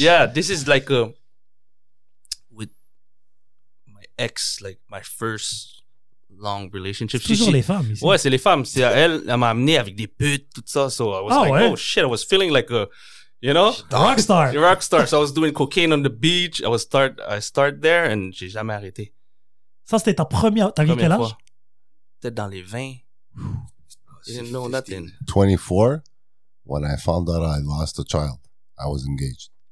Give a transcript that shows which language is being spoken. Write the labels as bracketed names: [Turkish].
[English] Yeah, this is like with my ex, like my first long relationship. [French] C'est toujours les femmes ici. Ouais, c'est les femmes. C'est elle m'a amené avec des putes, tout ça. [English] So I was oh shit, I was feeling like a, you know, rockstar. Rockstar. So I was doing cocaine on the beach. I start there and [French] j'ai jamais arrêté. Ça, c'était ta première. T'as vu quel âge? Peut-être dans les 20. [English] I didn't know nothing. 24, when I found out I lost a child, I was engaged.